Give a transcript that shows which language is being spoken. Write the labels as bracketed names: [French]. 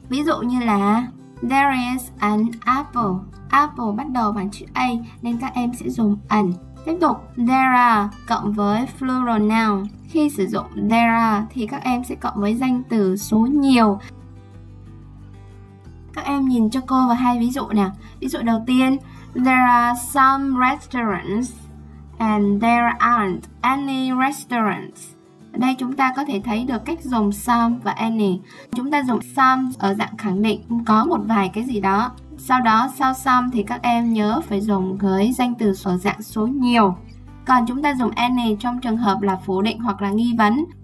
[Vietnamese] Ví dụ như là [English] there is an apple. [Vietnamese] Apple bắt đầu bằng chữ A nên các em sẽ dùng an. Tiếp tục, [English] there are [Vietnamese] cộng với [English] plural noun. [Vietnamese] Khi sử dụng [English] there are [Vietnamese] thì các em sẽ cộng với danh từ số nhiều. Các em nhìn cho cô vào hai ví dụ nè. Ví dụ đầu tiên, [English] there are some restaurants and there aren't any restaurants. [Vietnamese] Ở đây chúng ta có thể thấy được cách dùng some và any. Chúng ta dùng some ở dạng khẳng định có một vài cái gì đó. Sau đó sau some thì các em nhớ phải dùng với danh từ ở dạng số nhiều. Còn chúng ta dùng any trong trường hợp là phủ định hoặc là nghi vấn.